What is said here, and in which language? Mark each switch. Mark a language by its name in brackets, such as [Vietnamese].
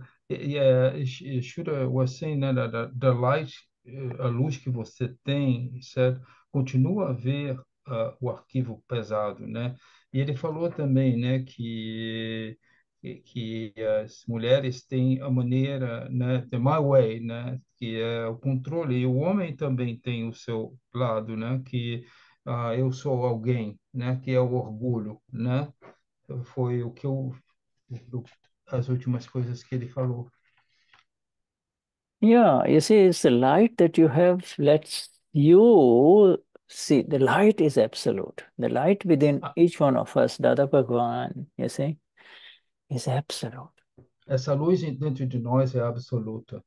[English] Yes, should I was saying that the light, [Portuguese] a luz que você tem, certo? Continua a ver o arquivo pesado, né? E ele falou também, né, que as mulheres têm a maneira, né, [English] the my way, [Portuguese] né, que é o controle, e o homem também tem o seu lado, né, que eu sou alguém, né, que é o orgulho, né? Foi o que eu as últimas coisas que ele falou. [English] Yeah, you see, it's the light that you have lets you see. The light is absolute. The light within each one of us, Dada Bhagwan, you see, is absolute. [Portuguese] Essa luz dentro de nós é absoluta.